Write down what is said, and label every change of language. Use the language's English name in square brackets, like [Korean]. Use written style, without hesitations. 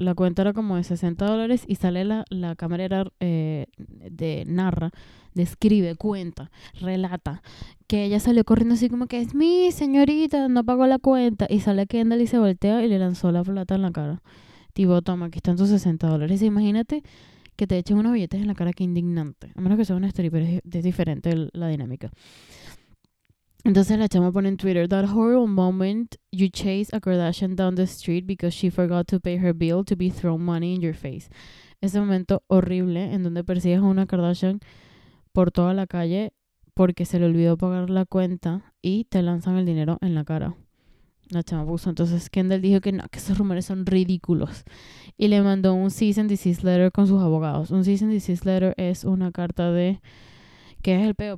[Spanish] La cuenta era como de $60 y sale la camarera de narra, describe, cuenta, relata, que ella salió corriendo así como que es mi señorita, no pagó la cuenta. Y sale Kendall y se voltea y le lanzó la plata en la cara. Tipo, toma, aquí están tus $60. Imagínate que te echen unos billetes en la cara, que indignante. A menos que sea una story, pero es diferente la dinámica. Entonces la chama pone en Twitter: [English] That horrible moment you chase a Kardashian down the street because she forgot to pay her bill to be thrown money in your face. [Spanish] Ese momento horrible en donde persigues a una Kardashian por toda la calle porque se le olvidó pagar la cuenta y te lanzan el dinero en la cara. La chama puso. Entonces Kendall dijo que no, que esos rumores son ridículos. Y le mandó un cease and desist letter con sus abogados. Un cease and desist letter es una carta de... ¿Qué es el peo?